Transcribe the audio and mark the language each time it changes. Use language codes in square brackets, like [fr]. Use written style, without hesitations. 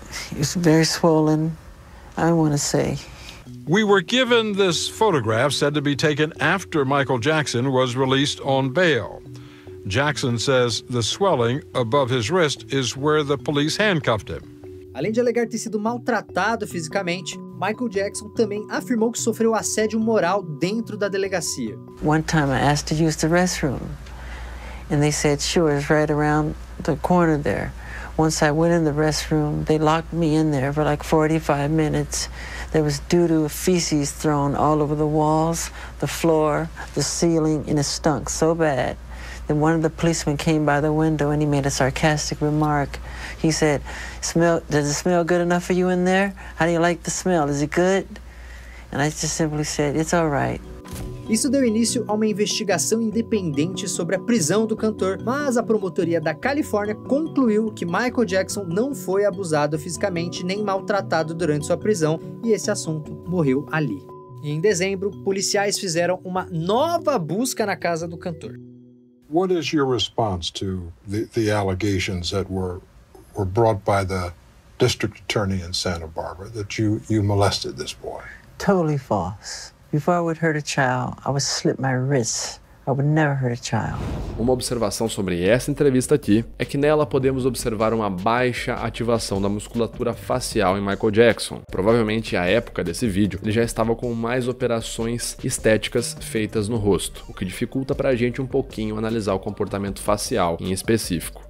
[en] It was very swollen. I want to say. We were given this photograph said to be taken after Michael Jackson was released on bail. Jackson says the swelling above his wrist is where the police handcuffed him. [pt] Além de alegar ter sido maltratado fisicamente, Michael Jackson também afirmou que sofreu assédio moral dentro da delegacia. [en] One time I asked to use the restroom and they said sure, it's right around the corner there. Once I went in the restroom, they locked me in there for like 45 minutes. There was doo-doo, feces thrown all over the walls, the floor, the ceiling, and it stunk so bad. Then one of the policemen came by the window and he made a sarcastic remark. He said, "Smell? Does it smell good enough for you in there? How do you like the smell? Is it good?" And I just simply said, "It's all right." [pt] Isso deu início a uma investigação independente sobre a prisão do cantor, mas a promotoria da Califórnia concluiu que Michael Jackson não foi abusado fisicamente nem maltratado durante sua prisão, e esse assunto morreu ali. E em dezembro, policiais fizeram uma nova busca na casa do cantor. [en] What is your response to the allegations that were brought by the district attorney in Santa Barbara that you molested this boy? Totally false. Before I would hurt a child, I would slip my wrist. I would never hurt a child. [pt] Uma observação sobre essa entrevista aqui é que nela podemos observar uma baixa ativação da musculatura facial em Michael Jackson. Provavelmente, à época desse vídeo, ele já estava com mais operações estéticas feitas no rosto, o que dificulta pra gente um pouquinho analisar o comportamento facial em específico.